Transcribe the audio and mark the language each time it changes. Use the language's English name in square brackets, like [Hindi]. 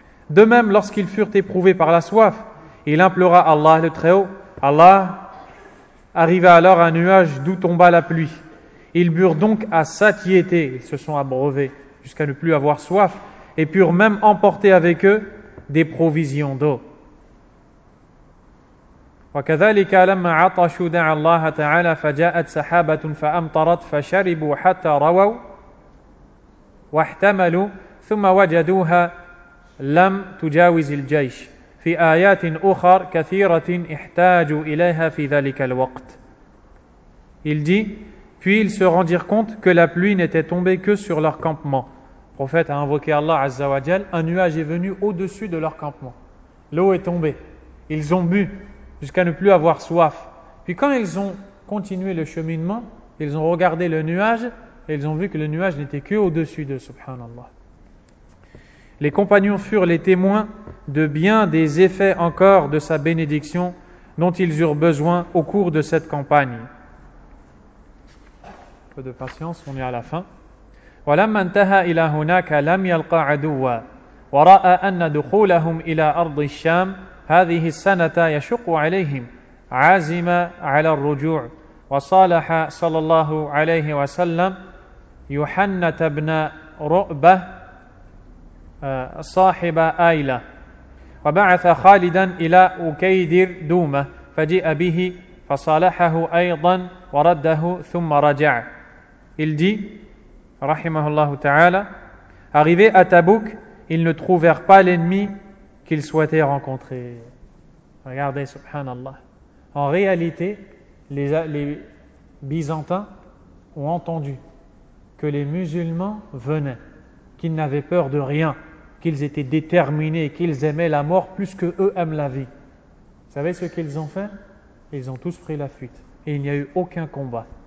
[French] De même, lorsqu'ils furent éprouvés par la soif, il implora Allah le Très-Haut. Allah arriva alors à un nuage d'où tomba la pluie. Ils burent donc à satiété, ils se sont abreuvés jusqu'à ne plus avoir soif, et purent même emporter avec eux des provisions d'eau. [Arabic] وكذلك لما عطشوا دعا الله تعالى فجاءت سحابة فأمطرت فشربوا حتى رووا واحتملوا ثم وجدوها لم تجاوز الجيش في آيات أخرى كثيرة احتاجوا إليها في ذلك الوقت. [French] Il dit, puis ils se rendirent compte que la pluie n'était tombée que sur leur campement. Le prophète a invoqué Allah Azza wa Jal, un nuage est venu au-dessus de leur campement. L'eau est tombée. Ils ont bu jusqu'à ne plus avoir soif. Puis quand ils ont continué le cheminement, ils ont regardé le nuage et ils ont vu que le nuage n'était que au-dessus de Subhanallah. Les compagnons furent les témoins de bien des effets encore de sa bénédiction dont ils eurent besoin au cours de cette campagne. Un peu de patience, on est à la fin. [Arabic] ولما انتهى الى هناك لم يلقى عدوا وراى ان دخولهم الى ارض الشام هذه السنه يشق عليهم عازما على الرجوع وصالح صلى الله عليه وسلم يوحنا بن رؤبه صاحب ايله وبعث خالدا الى اكيدر دومه فجاء به فصالحه ايضا ورده ثم رجع الدي Rahimahullah ta'ala, [French] arrivés à Tabouk, ils ne trouvèrent pas l'ennemi qu'ils souhaitaient rencontrer. Regardez, subhanallah. En réalité, les Byzantins ont entendu que les musulmans venaient, qu'ils n'avaient peur de rien, qu'ils étaient déterminés, qu'ils aimaient la mort plus que eux aiment la vie. Vous savez ce qu'ils ont fait? Ils ont tous pris la fuite et il n'y a eu aucun combat.